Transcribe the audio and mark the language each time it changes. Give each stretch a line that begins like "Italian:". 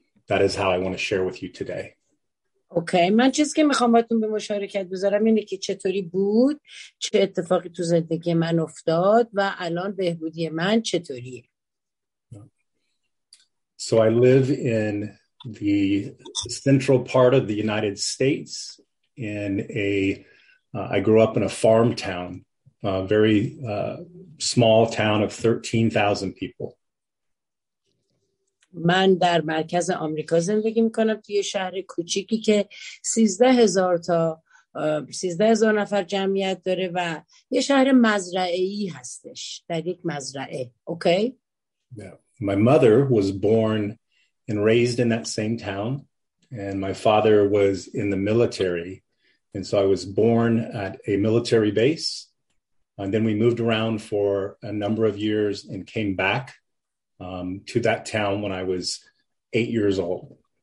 English: That is how I want to share with you today.
Persian: Okay, من چیزی که میخوام باهاتون به مشارکت بذارم اینه که چطوری بود، چه اتفاقی تو زندگی من افتاد و الان بهبودی من چطوریه.
English: So I live in the central part of the United States in a I grew up in a farm town. A very small town of 13,000 people.
Persian: من در مرکز آمریکا زندگی میکنم، توی شهر کوچیکی که 13,000 نفر جمعیت داره و یه شهر مزرعه‌ای هستش، در یک مزرعه. Okay. Yeah.
English: My mother was born and raised in that same town, and my father was in the military, and so I was born at a military base. And then we moved around for a number of years and came back to that town when I was 8 years old.